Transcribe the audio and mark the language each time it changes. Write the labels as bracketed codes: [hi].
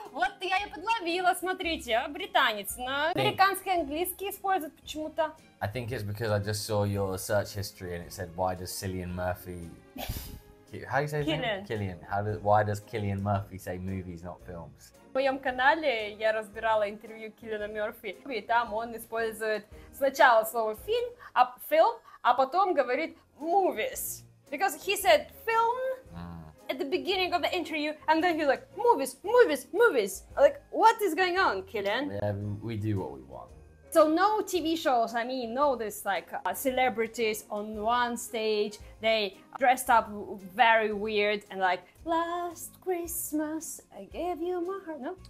[ru] Вот я и подловила, смотрите, британец. Но американский английский используют почему-то. [en] I think it's because I just saw your search history and it said, why does Cillian Murphy... How do you say his Killian. Name? Killian. How does, why does Killian Murphy say movies, not films? [ru] В моем канале я разбирала интервью Киллиана Мёрфи, и там он использует сначала слово фильм, а film, а потом говорит movies. [en] Because he said film at the beginning of the interview, and then he's like, movies, movies, movies. Like, what is going on, Killian? Yeah, we do what we want. So no TV shows, I mean, no this like celebrities on one stage, they dressed up very weird and like, last Christmas I gave you my heart, no?